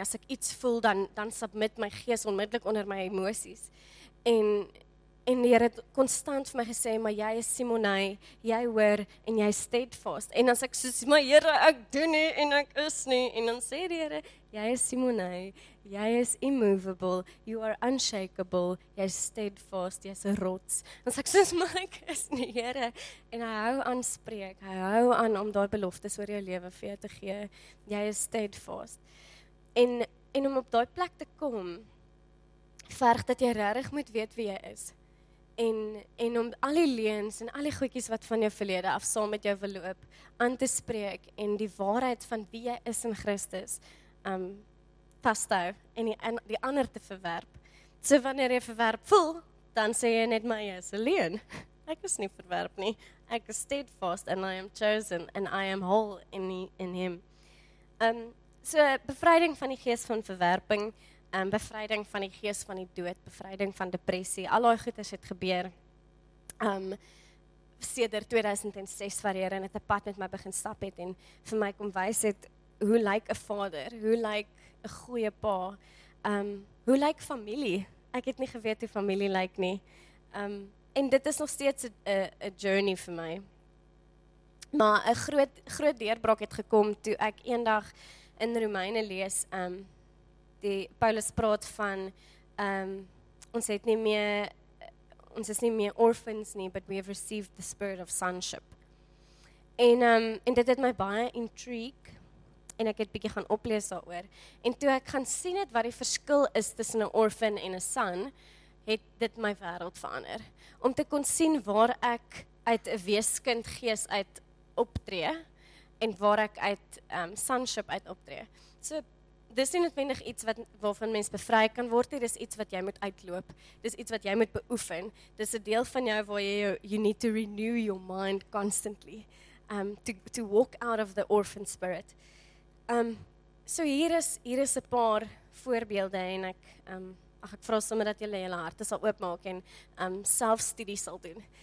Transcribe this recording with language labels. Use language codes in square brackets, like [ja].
[af] As ek iets voel, dan submit my gees onmiddellik onder my emosies. En die Here het konstant vir my gesê, maar jy is Simonai, jy hoor en jy is steadfast. En as ek soos, maar Here, ek doen nie en ek is nie. En dan sê die Here, jy is Simonai, jy is immovable, [en] you are unshakable, [af] jy is steadfast, jy is 'n rots. En as ek soos, maar ek is nie, Here. En hy hou aan spreek, hy hou aan om daai beloftes oor jou lewe vir jou te gee. Jy is steadfast. En om op daai plek te kom, verg dat jy regtig moet weet wie jy is. En om al die leuns en al die goedjies wat van jou verlede af saam met jou wil loop, aan te spreek en die waarheid van wie jy is in Christus vas te hou en die ander te verwerp. So wanneer jy verwerp voel, dan sê jy net maar jy is 'n leuen. Ek is nie verwerp nie. Ek is [en] steadfast and I am chosen and I am whole in him. [af] So bevryding van die gees van verwerping, bevryding van die gees van die dood, bevryding van depressie, al daai goeders het gebeur. Sedert 2006 waar Here in 'n pad met my begin stap het en vir my kom wys het hoe lyk 'n vader, hoe lyk 'n goeie pa, hoe lyk familie. Ek het nie geweet hoe familie lyk nie. En dit is nog steeds 'n journey vir my. Maar 'n groot deurbraak het gekom toe ek eendag in Romeine lees, die Paulus praat van ons is nie meer orphans nie, [en] but we have received the spirit of sonship. [af] En dit het my baie intrigue en ek het bietjie gaan oplees daaroor. En toe ek gaan sien het wat die verskil is tussen 'n orphan en 'n son, het dit my wêreld verander. Om te kon sien waar ek uit 'n weeskind gees uit optree en waar ek uit sonship uit optree. So dis nie noodwendig iets wat waarvan mens bevry kan word nie, dis iets wat jy moet uitloop. Dis iets wat jy moet beoefen. Dis 'n deel van jou waar jy [en] you need to renew your mind constantly. To walk out of the orphan spirit. [af] So hier is 'n paar voorbeelde en ek vra sommer dat julle julle harte sal oopmaak en selfstudie sal doen.